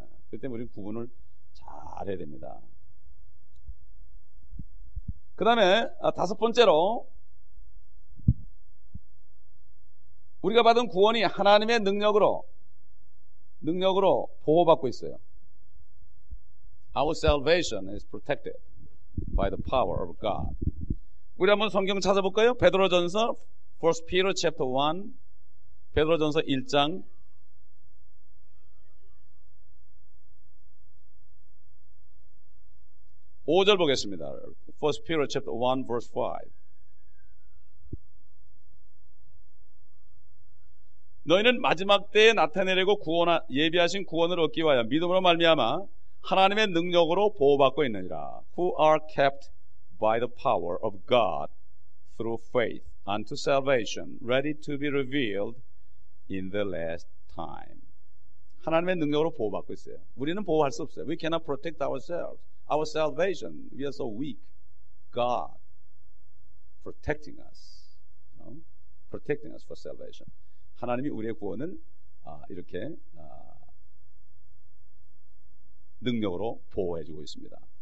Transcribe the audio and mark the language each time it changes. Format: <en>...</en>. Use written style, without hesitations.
<ko>그때 우리는 구분을 잘 해야 됩니다. 그 다음에 다섯 번째로 우리가 받은 구원이 하나님의 능력으로 보호받고 있어요.</ko> <en>Our salvation is protected by the power of God.</en> <ko>우리 한번 성경 찾아볼까요? 베드로전서</ko> <en>1 Peter chapter 1</en> <ko>베드로전서 1장 5절 보겠습니다.</ko> <en>1 Peter chapter 1 verse 5</en> <ko>너희는 마지막 때에 나타내려고 예비하신 구원을 얻기 위하여 믿음으로 말미암아 하나님의 능력으로 보호받고 있느니라.</ko> <en>Who are kept by the power of God through faith unto salvation, ready to be revealed in the last time.</en> <ko>하나님의 능력으로 보호받고 있어요. 우리는 보호할 수 없어요.</ko> <en>We cannot protect ourselves. Our salvation, we are so weak. God protecting us, you know? Protecting us for salvation.</en> <ko>하나님이 우리의 구원을 이렇게 능력으로 보호해주고 있습니다.</ko>